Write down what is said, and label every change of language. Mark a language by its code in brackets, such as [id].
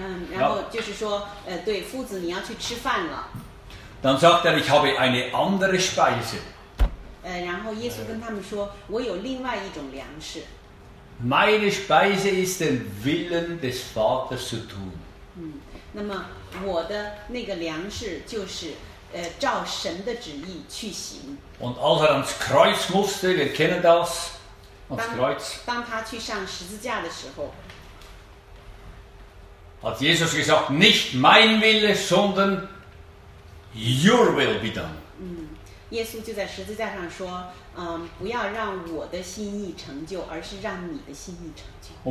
[zh] 然后就是说，对，夫子，你要去吃饭了。 [de] Dann sagt er, ich habe eine andere Speise. [zh] 然后耶稣跟他们说，我有另外一种粮食。 [de] Meine Speise ist den Willen des Vaters zu tun。 [zh] 那么我的那个粮食就是照神的旨意去行。 [de] Und als er ans Kreuz musste, wir kennen das, ans Kreuz. [zh] 当他去上十字架的时候， [de] hat Jesus gesagt, nicht mein Wille, sondern [en] your will be done. [zh] 耶稣就在十字架上说，不要让我的心意成就，而是让你的心意成就。